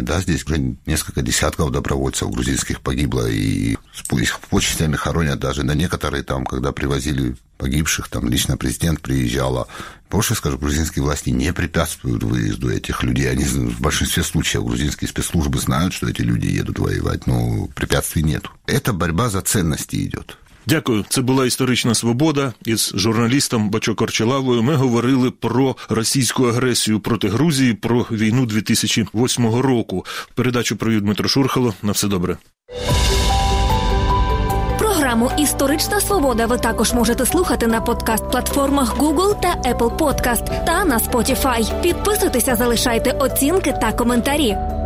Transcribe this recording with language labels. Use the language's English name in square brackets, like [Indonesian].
[Russian] Да, здесь уже несколько десятков добровольцев грузинских погибло, и их почестями хоронят даже. На некоторые там, когда привозили погибших, там лично президент приезжал. Больше скажу, грузинские власти не препятствуют выезду этих людей. Они в большинстве случаев, грузинские спецслужбы знают, что эти люди едут воевать, но препятствий нет. Это борьба за ценности идет. [Ukrainian] Дякую, це була «Історична свобода». Із журналістом Бачо Корчалавою ми говорили про російську агресію проти Грузії, про війну 2008 року. Передачу провів Дмитро Шурхало. На все добре. програму «Історична свобода» ви також можете слухати на подкаст-платформах Google та Apple Podcast та на Spotify. Підписуйтеся, залишайте оцінки та коментарі.